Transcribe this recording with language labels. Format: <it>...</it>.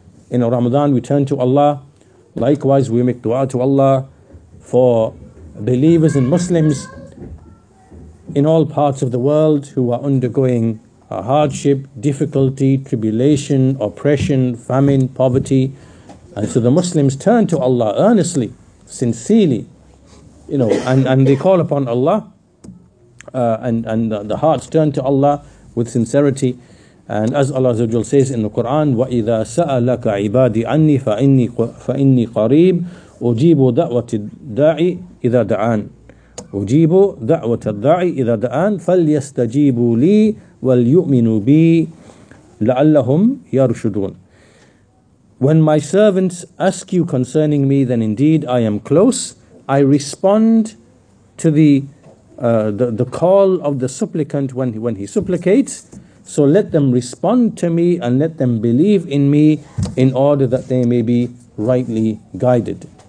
<en>In Ramadan, we turn to Allah. Likewise, we make dua to Allah for believers and Muslims in all parts of the world who are undergoing a hardship, difficulty, tribulation, oppression, famine, poverty. And so the Muslims turn to Allah earnestly, sincerely, you know, and they call upon Allah, and the hearts turn to Allah with sincerity.</en> <ar>And as Allah Azza wa Jalla says in the Quran, وَإِذَا سَأَلَكَ عِبَادِي عَنِّي فَإِنِّي قَرِيبٌ أُجِيبُ دَعْوَةِ الدَّاعِ إِذَا دَعَانَ أُجِيبُ دَعْوَةَ الدَّاعِ إِذَا دَعَانَ فَلْيَسْتَجِيبُوا لِي وَلْيُؤْمِنُوا بِي لَعَلَّهُمْ يَرْشُدُونَ.</ar> <en>When my servants ask you concerning me, then indeed I am close. I respond to the call of the supplicant when he supplicates. So let them respond to me and let them believe in me in order that they may be rightly guided.</en>